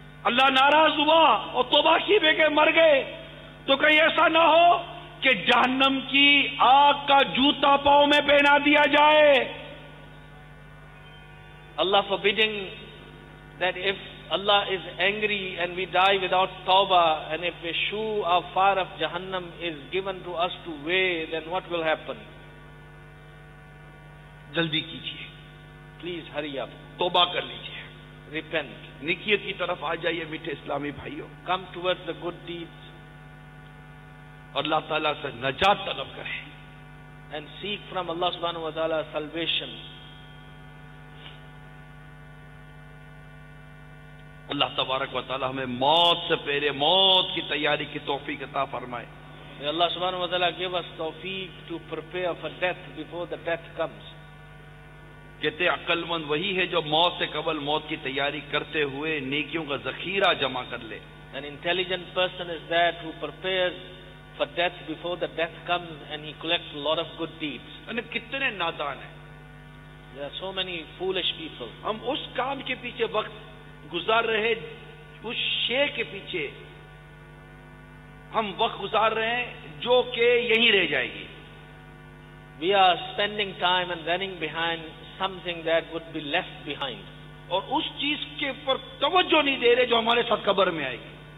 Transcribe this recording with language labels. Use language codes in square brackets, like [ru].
[ur] اللہ ناراض ہوا اور توبہ کی بے کے مر گئے تو کہیں ایسا نہ ہو کہ جہنم کی آگ کا جوتا پاؤں میں پہنا دیا جائے. [en] اللہ forbidding that if Allah is angry and we die without توبہ and if a shoe of fire of Jahannam is given to us to wear, then what will happen? [ur] جلدی کیجئے. [en] Please hurry up. [ur] توبہ کر لیجئے. [en] Repent. [ur] نیکیت کی طرف آ جائیے میٹھے اسلامی بھائیوں. [en] Come towards the good deeds. [ur] اور اللہ تعالیٰ سے نجات طلب کریں. [en] And seek from Allah سبحانہ وتعالی salvation. [ur] اللہ تبارک وتعالی ہمیں موت سے پہلے موت کی تیاری کی توفیق عطا فرمائے. [en] May Allah سبحانہ وتعالی give us توفیق to prepare for death before the death comes. [ur] کہتے عقل مند وہی ہے جو موت سے قبل موت کی تیاری کرتے ہوئے نیکیوں کا ذخیرہ جمع کر لے. [en] An intelligent person is that who prepares for death before the death comes and he collects a lot of good deeds. [ur] یعنی کتنے نادان ہیں. [en] There are so many foolish people. [ur] ہم اس کام کے پیچھے وقت گزار رہے اس شے کے پیچھے ہم وقت گزار رہے ہیں جو کہ یہی رہ جائے گی. [en] We are spending time and running behind something that would be left behind. [ur] اور اس چیز کے پر توجہ نہیں دے رہے جو ہمارے ساتھ قبر میں آئے گی.